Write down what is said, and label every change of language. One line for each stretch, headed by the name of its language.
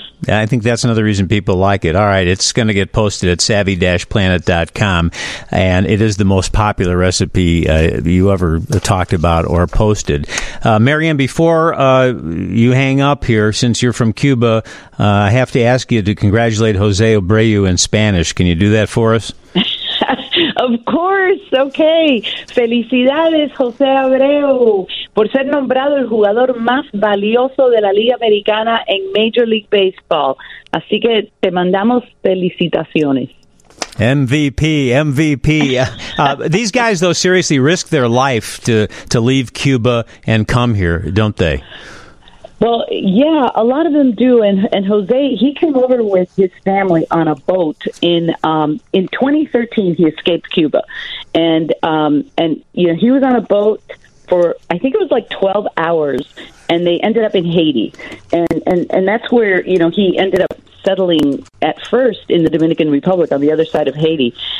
English: I think that's another reason people like it. All right, it's going to get posted at savvy-planet.com, and it is the most popular recipe you ever talked about or posted. Marianne, before you hang up here, since you're from Cuba, I have to ask you to congratulate Jose Abreu in Spanish. Can you do that for us? Of course. Okay.
Spanish: Felicidades, José Abreu, por ser nombrado el jugador más valioso de la Liga Americana en Major League Baseball. Así que te mandamos felicitaciones.
English: MVP, MVP. These guys, though, seriously risk their life to leave Cuba and come here, don't they? Well, yeah, a lot of them do. And Jose, he came over with his family on a boat in 2013. He escaped Cuba, and you know, he was on a boat for, I think it was like 12 hours, and they ended up in Haiti, and that's where, you know, he ended up settling at first in the Dominican Republic on the other side of Haiti.